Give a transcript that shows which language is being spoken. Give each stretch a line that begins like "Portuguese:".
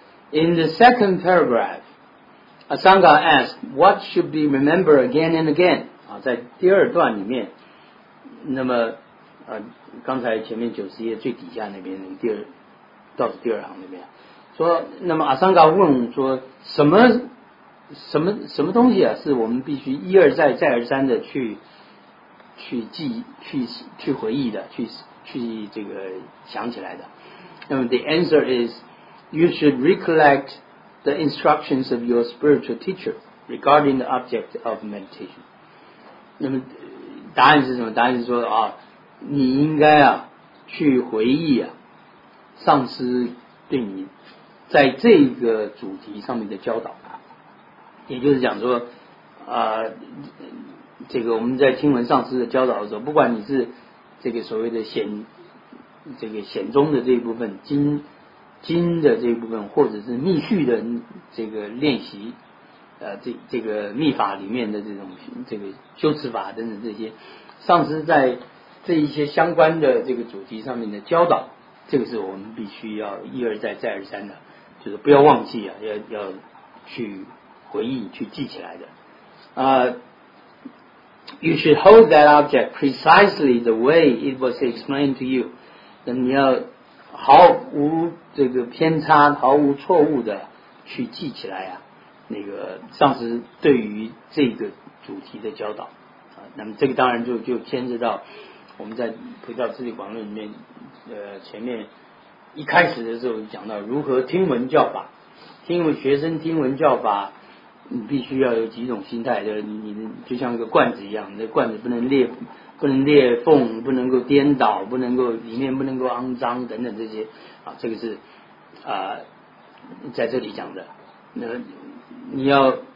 English: In the second paragraph, Asanga asked, what should be remembered again and again?
Chinese: 在第二段里面，那么刚才前面九十页最底下那边，那个第二，倒数第二行那边，说，那么Asanga问说，什么东西啊，是我们必须一而再，再而三的去记，去回忆的，去这个想起来的。那么
English: the answer is,You should recollect the instructions of your spiritual teacher regarding the object of meditation.
Chinese: 那么答案是什么？答案是说啊，你应该啊去回忆啊上师对你在这个主题上面的教导。也就是讲说啊，这个我们在听闻上师的教导的时候，不管你是这个所谓的显宗的这一部分经的这一部分，或者是密续的这个练习，这个密法里面的这种这个修持法等等这些，上师在这一些相关的这个主题上面的教导，这个是我们必须要一而再再而三的，就是不要忘记啊，要去回忆去记起来的。
English: You should hold that object precisely the way it was explained to you.
Chinese: 那你要毫无这个偏差，毫无错误的去记起来啊，那个上师对于这个主题的教导啊。那么这个当然就牵涉到我们在佛教智力广论里面前面一开始的时候讲到如何听闻教法，听闻学生听闻教法，你必须要有几种心态的，你就像一个罐子一样，你的罐子不能裂缝，不能够颠倒，不能够里面不能够肮脏等等这些啊，这个是在这里讲的。那你要